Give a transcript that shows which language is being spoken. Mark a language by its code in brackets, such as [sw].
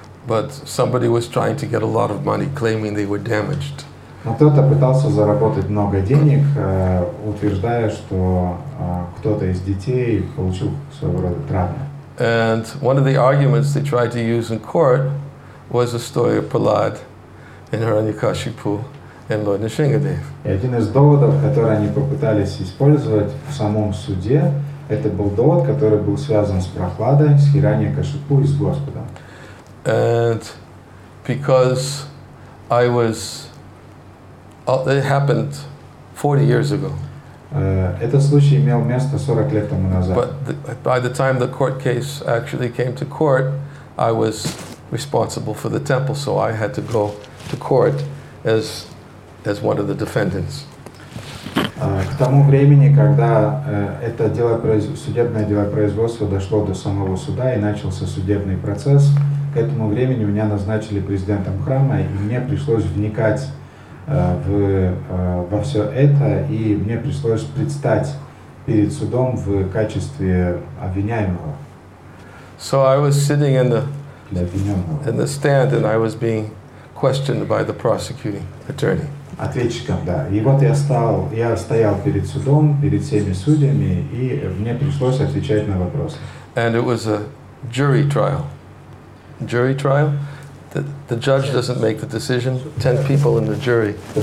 [en] But somebody was trying to get a lot of money, claiming they were damaged. [ru] Но кто-то пытался заработать много денег, утверждая, что кто-то из детей получил своего рода травму. [en] And one of the arguments they tried to use in court was a story of Prahlad in Hiranyakashipu and Lord Nrisimhadev. [ru] И один из доводов, который они попытались использовать в самом суде, это был довод, который был связан с Прохладой, с Хираньякашипу и с Господом. [en] And because I was, it happened 40 years ago. [ru] Этот случай имел место 40 лет тому назад. [en] But by the time the court case actually came to court, I was responsible for the temple, so I had to go to court as one of the defendants. [ru] К тому времени, когда это дело, судебное дело производства дошло до самого суда и начался судебный процесс, к этому времени меня назначили президентом храма, и мне пришлось вникать во все это, и мне пришлось предстать перед судом в качестве обвиняемого. [en] So I was sitting in the stand, and I was being questioned by the prosecuting attorney. [ru] Ответчиком, да. И вот я стоял перед судом, перед всеми судьями, и мне пришлось отвечать на вопросы. [en] And it was a jury trial. Jury trial. The judge doesn't make the decision. 10 people in the jury.